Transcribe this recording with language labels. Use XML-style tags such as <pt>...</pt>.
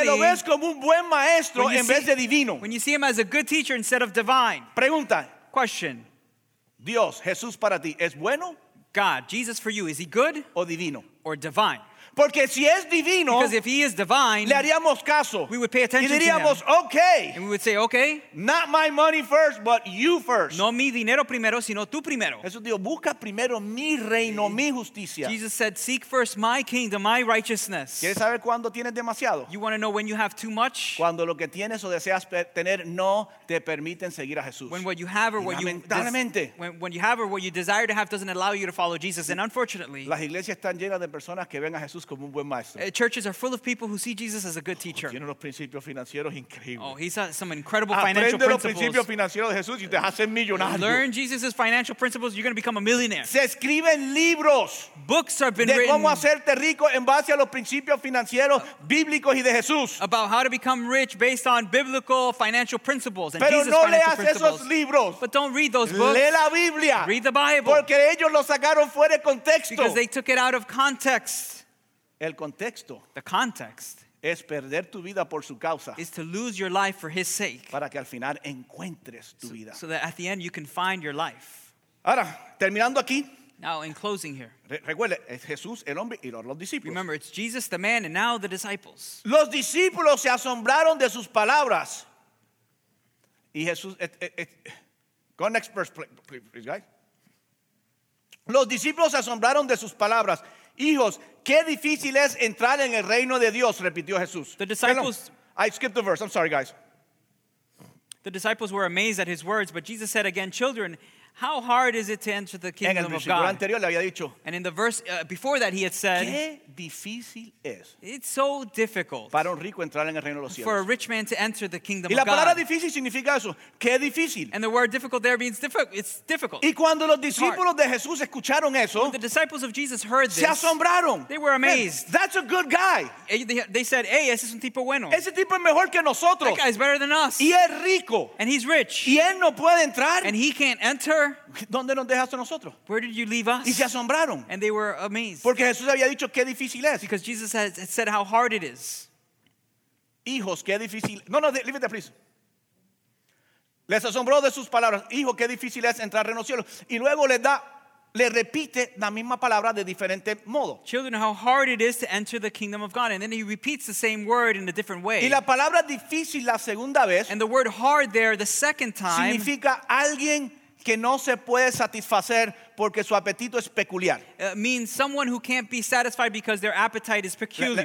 <es>que lo ves como un buen maestro en vez de divino.</es> <en>When you see him as a good teacher instead of divine.</en> <es>Pregunta.</es> <en>Question.</en> <es>Dios, Jesús para ti, ¿es bueno?</es> <en>God, Jesus for you, is he good?</en> <es>O divino.</es> <en>Or divine.</en> <es>Porque si es divino,</es> <en>because if he is divine,</en> <es>le haríamos caso.</es> <en>We would pay attention</en> <es>y diríamos,</es> <en>to him. Okay. And we would say, okay. Not my money first, but you first.</en> <es>No mi dinero primero, sino tú primero. Jesús dijo, busca primero mi reino, mi justicia.</es> <en>Jesus said, seek first my kingdom, my righteousness.</en> <es>¿Quieres saber cuándo tienes demasiado?</es> <en>You want to know when you have too much?</en> <es>Cuando lo que tienes o deseas tener no te permiten seguir a Jesús.</es> <en>When what you have or what you when you have or what you desire to have doesn't allow you to follow Jesus. And unfortunately,</en> <es>las iglesias están llenas de personas que ven a Jesús como un buen maestro.</es> <en>Churches are full of people who see Jesus as a good teacher.</en> <es>Tiene unos principios financieros increíbles.</es> <en>Oh, he's some incredible financial principles.</en> <es>Aprende los principios financieros de Jesús y te hacen millonario.</es> <en>Learn Jesus' financial principles, you're going to become a millionaire.</en> <es>Se escriben libros.</es> <en>Books have been</en> <es>de</es> <en>written.</en> <es>De cómo hacerte rico en base a los principios financieros bíblicos y de Jesús.</es> <en>About how to become rich based on biblical financial principles and</en> <es>Pero</es> <en>Jesus</en> <es>no</es> <en>financial principles.</en> <es>Pero no leas esos libros.</es> <en>But don't read those books.</en> <es>Lee la Biblia.</es> <en>Read the Bible.</en> <es>Porque ellos lo sacaron fuera de contexto.</es> <en>Because they took it out of context.</en> <es>El contexto</es> <en>the context</en> <es>es perder tu vida por su causa</es> <en>is to lose your life for his sake</en> <es>para que al final encuentres tu</es> <en>so,</en> <es>vida</es> <en>so that at the end you can find your life.</en> <es>Ahora, terminando aquí,</es> <en>Now, in closing here.</en> <es>Recuerde, es Jesús, el hombre, y los discípulos.</es> <en>Remember, it's Jesus, the man, and now the disciples.</en> <es>Los discípulos se asombraron de sus palabras. Y Jesús,</es> <en>go next verse, please, guys.</en> <es>Los discípulos se asombraron de sus palabras. Hijos, qué difícil es entrar en el reino de Dios, repitió Jesús.</es> <en>The disciples. I skipped the verse, I'm sorry, guys. The disciples were amazed at his words, but Jesus said again, children, how hard is it to enter the kingdom of God?</en> <es>Anterior, le había dicho,</es> <en>and in the verse before that, he had said,</en> <es>¿qué difícil es?</es> <en>It's so difficult</en> <es>para un rico entrar en el reino de los cielos.</es> <en>For a rich man to enter the kingdom</en> <es>y la</es> <en>of</en> <es>palabra</es> <en>God.</en> <es>Difícil significa eso. ¿Qué difícil?</es> <en>And the word difficult there means it's difficult.</en> <es>Y cuando los discípulos de Jesús escucharon eso,</es> <en>when the disciples of Jesus heard this,</en> <es>se asombraron.</es> <en>They were amazed. Man, that's a good guy. They said, hey,</en> <es>ese es un tipo bueno. Ese tipo es mejor que nosotros.</es> <en>That guy's better than us.</en> <es>Y es rico.</es> <en>And he's rich.</en> <es>Y él no puede entrar.</es> <en>And he can't enter.</en> <es>¿Dónde nos dejaste nosotros?</es> <en>Where did you leave us?</en> <es>Y se asombraron.</es> <en>And they were amazed.</en> <es>Porque Jesús había dicho qué difícil es.</es> <en>Because Jesus had said how hard it is.</en> <es>Hijos, qué difícil. No,</es> <en>leave it there, please.</en> <es>Les asombró de sus palabras. Hijo, qué difícil es entrar en los cielos. Y luego le repite la misma palabra de diferente modo.</es> <en>Children, how hard it is to enter the kingdom of God. And then he repeats the same word in a different way.</en> <es>Y la palabra difícil la segunda vez.</es> <en>And the word hard there the second time.</en> <es>Significa alguien que no se puede satisfacer porque su apetito es peculiar.</es> <en>Means someone who can't be satisfied because their appetite is peculiar.</en>